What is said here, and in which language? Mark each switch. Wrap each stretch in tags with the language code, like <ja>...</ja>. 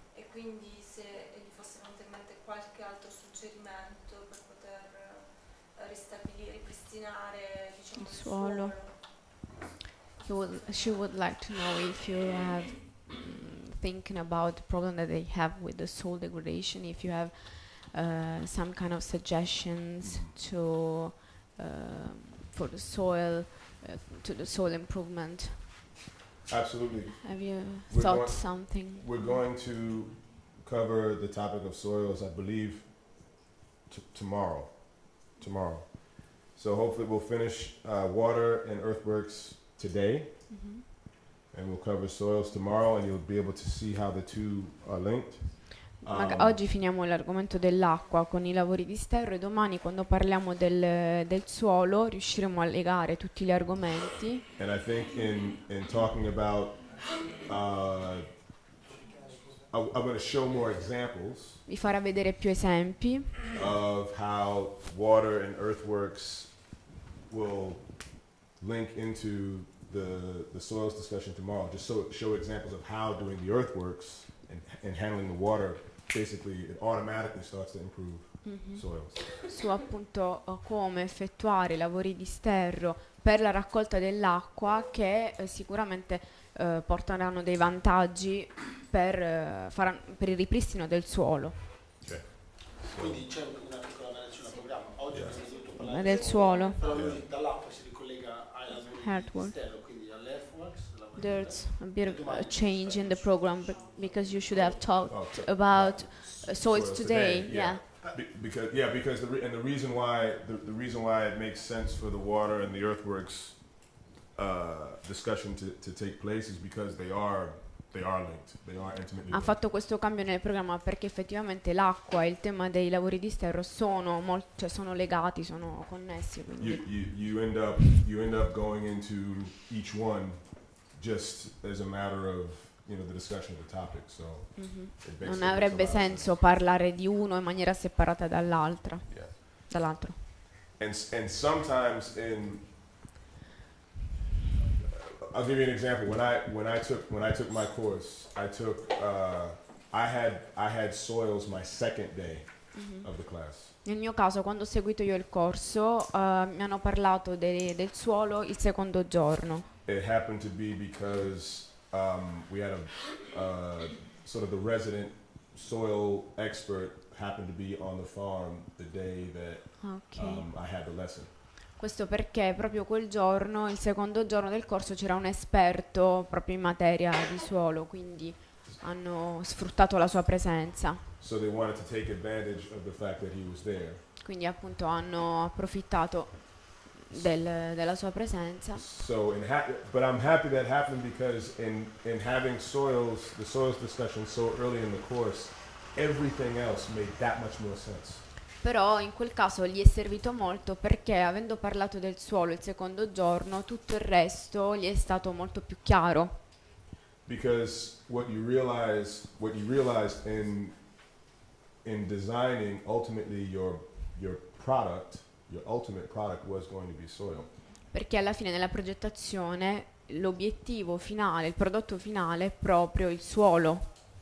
<it>Quindi se gli fosse venuto in mente qualche altro suggerimento per poter ripristinare, diciamo, il suolo.</it> <en>She would like to know if you have thinking about the problem that they have with the soil degradation, if you have some kind of suggestions to for the soil to the soil improvement. Absolutely. Have you thought something? We're going to cover the topic of soils, I believe, tomorrow. So hopefully we'll finish water and earthworks today, mm-hmm. and we'll cover soils tomorrow, and you'll be able to see how the two are linked.</en> <it>Oggi finiamo l'argomento dell'acqua con i lavori di sterro, e domani, quando parliamo del suolo, riusciremo a legare tutti gli argomenti.</it> <en>And I think in talking about I'm going to show more examples.</en> <it>Vi farà vedere più esempi.</it> <en>Of how water and earthworks will link into the soils discussion tomorrow. Just so show examples of how doing the earthworks and handling the water, basically it automatically starts to improve soils.</en> <it>Su appunto come effettuare i lavori di sterro per la raccolta dell'acqua che sicuramente porteranno dei vantaggi per il ripristino del suolo. Okay. Quindi c'è una piccola variazione al programma. Oggi non è del suolo. Però lui dall'acqua si ricollega all'earthworks, quindi all'earthworks.</it> <en>There's a bit of a change in the program because you should have talked about soils today. Because the reason why it makes sense for the water and the earthworks discussion to take place is because they are linked, they are intimately linked.</en> <it>Ha fatto questo cambio nel programma perché effettivamente l'acqua e il tema dei lavori di sterro sono legati, sono connessi. Quindi</it> <en>you end up going into each one just as a matter of, you know, the discussion of the topic, so</en> <it>non avrebbe senso parlare di uno in maniera separata dall'altra.</it> <en>Yeah.</en> <it>Dall'altro.</it> <en>And sometimes in, I'll give you an example. When I took my course, I had soils my second day of the class.</en> <it>Nel mio caso, quando ho seguito io il corso, mi hanno parlato del suolo il secondo giorno.</it> <en>It happened to be because we had a sort of the resident soil expert happened to be on the farm the day that I had the lesson.</en> <it>Questo perché proprio quel giorno, il secondo giorno del corso, c'era un esperto proprio in materia di suolo, quindi hanno sfruttato la sua presenza.</it> <en>So they wanted to take advantage of the fact that he was there.</en> <it>Quindi appunto hanno approfittato della sua presenza.</it> <en>So in but I'm happy that happened because in having soils, the soils discussion so early in the course, everything else made that much more sense.</en> <it>Però in quel caso gli è servito molto perché, avendo parlato del suolo il secondo giorno, tutto il resto gli è stato molto più chiaro.</it> <en>Because what you realized in designing ultimately your product, your ultimate product was going to be soil.</en> <it>Perché alla fine nella progettazione l'obiettivo finale, il prodotto finale è proprio il suolo.</it>